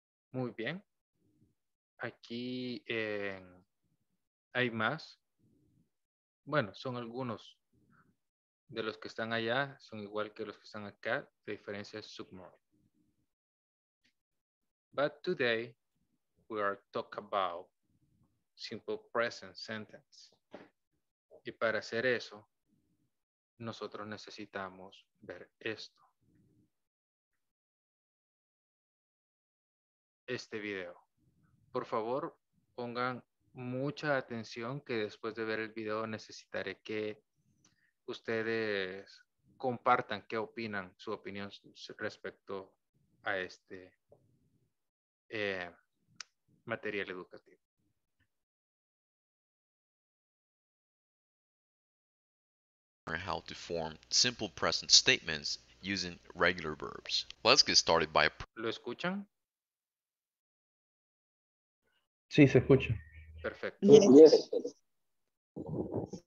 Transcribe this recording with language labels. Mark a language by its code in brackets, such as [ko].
[es] Muy bien. Aquí hay más. Bueno, son algunos de los que están allá, son igual que los que están acá, la diferencia es submarine. [en] But today we are talk about simple present sentence. [es] Y para hacer eso, nosotros necesitamos ver esto. Este video. Por favor, pongan mucha atención, que después de ver el video necesitaré que ustedes compartan qué opinan, su opinión respecto a este material educativo. [en] How to form simple present statements using regular verbs. Let's get started by... [es] ¿Lo escuchan? Sí, se escucha. Perfecto. [en] Yes.